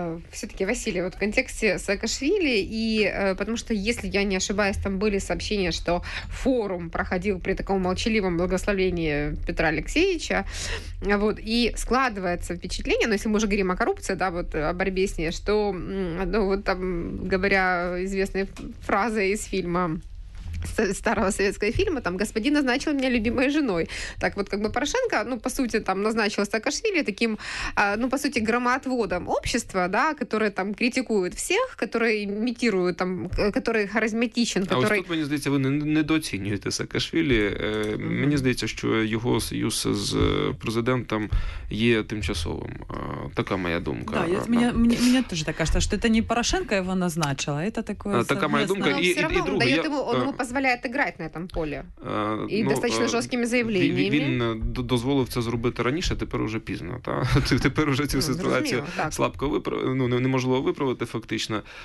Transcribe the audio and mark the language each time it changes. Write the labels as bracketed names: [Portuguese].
[Russian] Все-таки, Василий, вот в контексте Саакашвили, и потому что, если я не ошибаюсь, там были сообщения, что форум проходил при таком молчаливом благословении Петра Алексеевича, вот, и складывается впечатление, но если мы уже говорим о коррупции, да, вот о борьбе с ней, что, ну, вот там, говоря известной фразой из фильма, старого советского фильма, там, господин назначил меня любимой женой. Так вот, как бы Порошенко, ну, по сути, там, назначил Саакашвили таким, ну, по сути, громоотводом общества, да, которое там критикует всех, которые имитируют, там, который харизматичен, который... [Ukrainian] А ось тут, мені здається, ви недооцінюєте Саакашвили. Mm-hmm. Мені здається, що його союз з президентом є тимчасовим. Така моя думка. Да, мені теж так кажется, що це не Порошенко його назначила, це таке... Така моя думка. І друге, дає йому, [Russian] позволяет играть на этом поле. И достаточно жесткими заявлениями. [Ukrainian] Він дозволив це зробити раніше, тепер уже пізно. Та? Тепер уже цю ситуацію слабко виправити, ну, неможливо виправити фактично.